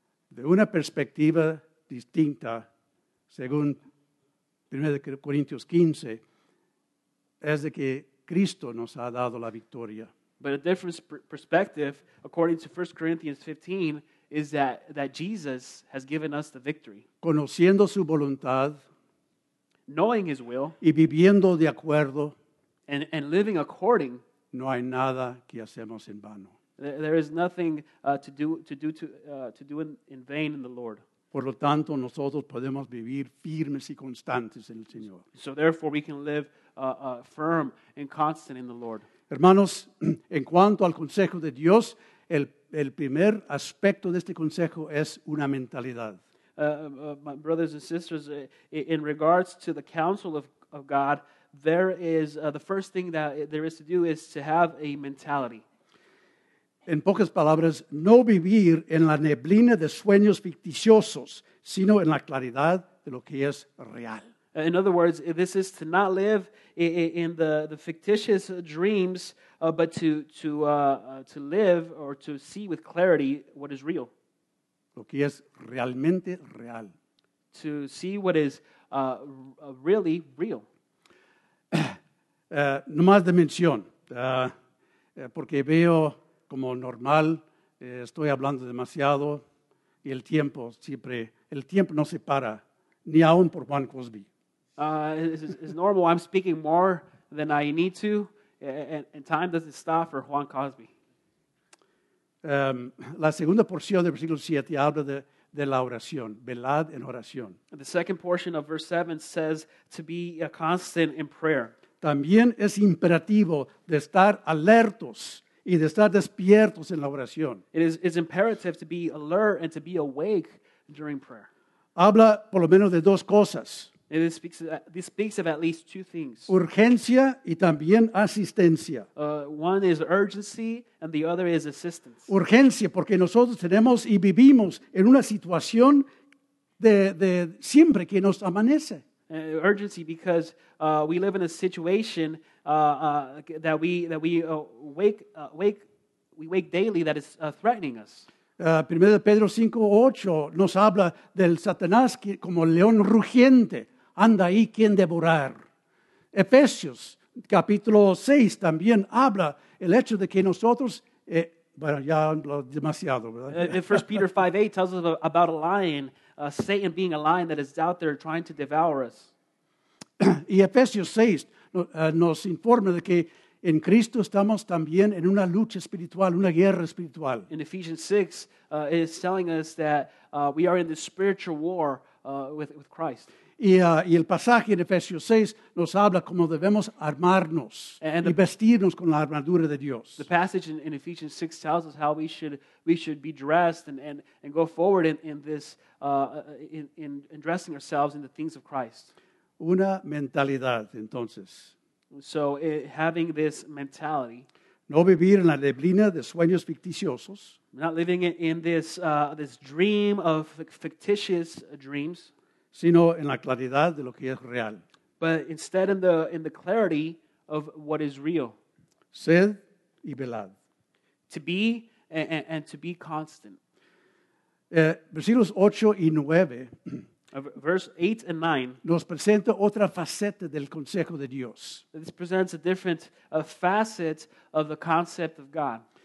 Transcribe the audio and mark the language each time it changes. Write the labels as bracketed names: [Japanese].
[Spanish] De una perspectiva distinta, según 1 Corintios 15, es de que Cristo nos ha dado la victoria. [English] But a different perspective, according to 1 Corinthians 15, is that Jesus has given us the victory. [Spanish] Conociendo su voluntad. [English] Knowing his will. [Spanish] Y viviendo de acuerdo. [English] And living according. [Spanish] No hay nada que hacemos en vano. [English] There is nothing to do in vain in the Lord. [Spanish] Por lo tanto, nosotros podemos vivir firmes y constantes en el Señor. [English] So therefore, we can live firm and constant in the Lord. [Spanish] Hermanos, en cuanto al consejo de Dios, el primer aspecto de este consejo es una mentalidad. [English] My brothers and sisters, in regards to the counsel of God, there is the first thing that there is to do is to have a mentality. [Spanish] En pocas palabras, no vivir en la neblina de sueños ficticiosos, sino en la claridad de lo que es real. [English] In other words, this is to not live in the fictitious dreams, but to live or to see with clarity what is real. [Spanish] Lo que es realmente real. [English] To see what is really real. [Spanish] Nomás de mención, porque veo como normal, estoy hablando demasiado y el tiempo no se para, ni aun por Juan Cosby. [English] It's normal. I'm speaking more than I need to, and time doesn't stop for Juan Cosby. [Spanish] La segunda porción del versículo 7 habla de la oración. Velad en oración. [English] The second portion of verse 7 says to be a constant in prayer. [Spanish] También es imperativo de estar alertos y de estar despiertos en la oración. [English] It's imperative to be alert and to be awake during prayer. [Spanish] Habla por lo menos de dos cosas. [English] And this speaks of at least two things. [Spanish] Urgencia y también asistencia. [English] One is urgency and the other is assistance. [Spanish] Urgencia porque nosotros tenemos y vivimos en una situación de siempre que nos amanece. [English] Urgency because we live in a situation that we wake daily that is threatening us. [Spanish] 1 Pedro 5:8 nos habla del Satanás que, como león rugiente. Anda ahí quien devorar. Efesios, capítulo 6, también habla el hecho de que nosotros, bueno, ya hablo demasiado, ¿verdad? [English] 1 Peter 5:8 tells us about a lion, Satan being a lion that is out there trying to devour us. [Spanish] Y Efesios 6 nos informa de que en Cristo estamos también en una lucha espiritual, una guerra espiritual. [English] In Ephesians 6, it is telling us that we are in this spiritual war with Christ. [Spanish] Y el pasaje en Efesios 6 nos habla cómo debemos armarnos y vestirnos con la armadura de Dios. [English] The passage in Ephesians 6 tells us how we should be dressed and go forward in dressing ourselves in the things of Christ. [Spanish] Una mentalidad, entonces. [English] So, having this mentality. [Spanish] No vivir en la neblina de sueños ficticiosos. [English] Not living in this this dream of fictitious dreams. [Spanish] Sino en la claridad de lo que es real. [English] But instead in the clarity of what is real. [Spanish] Sed y velad. [English] To be and to be constant. [Spanish] Versículos 8 y 9 [English] Verse 8 and 9 [Spanish] nos presenta otra faceta del consejo de Dios. [English] This presents a different a facet of the concept of God.